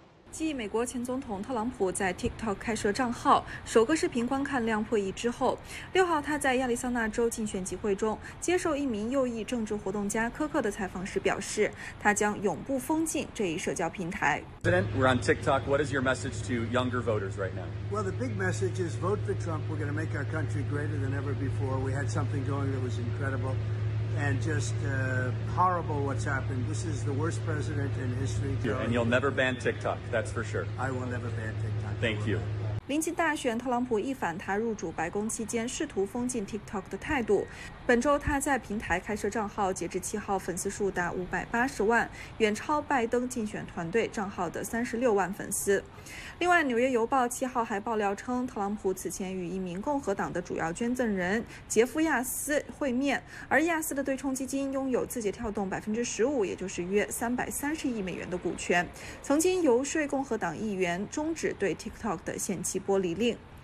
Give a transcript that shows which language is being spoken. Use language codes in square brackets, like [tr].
[zh] 继美国前总统特朗普在 TikTok 开设账号，首个视频观看量破亿之后，6号他在亚利桑那州竞选集会中接受一名右翼政治活动家苛刻的采访时表示，他将永不封禁这一社交平台。 [en] President, we're on TikTok. What is your message to younger voters right now? Well, the big message is vote for Trump. We're going to make our country greater than ever before. We had something going that was incredible, and just horrible what's happened. This is the worst president in history. Yeah, and you'll never ban TikTok, that's for sure. I will never ban TikTok. Thank you. [zh] 临近大选，特朗普一反他入主白宫期间试图封禁 TikTok 的态度。本周他在平台开设账号，截至7号粉丝数达580万，远超拜登竞选团队账号的36万粉丝。另外，纽约邮报7号还爆料称，特朗普此前与一名共和党的主要捐赠人杰夫亚斯会面，而亚斯的对冲基金拥有字节跳动15%，也就是约330亿美元的股权，曾经游说共和党议员终止对 TikTok 的限期剥离令。